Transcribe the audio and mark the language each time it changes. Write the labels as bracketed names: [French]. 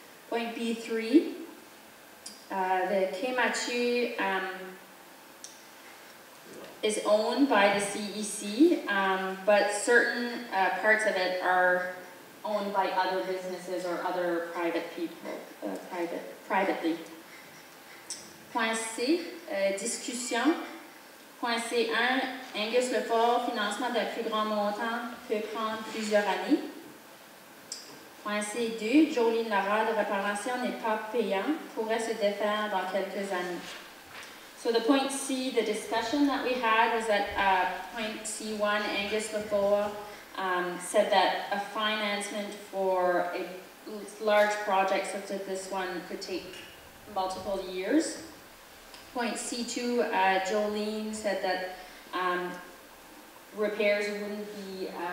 [English] Point B3, the Kemachi is owned by the CEC, but certain parts of it are owned by other businesses or other private people, privately. Point C, discussion. [French] Point C1, Angus Lefort, financement d'un plus grand montant peut prendre plusieurs années. Point C2, Jolene Lara, de réparation n'est pas payant, pourrait se défaire dans quelques années. [English] So the point C, the discussion that we had was that point C1, Angus Lefort, said that a financement for a large project such as this one could take multiple years. Point C2, Jolene said that repairs wouldn't be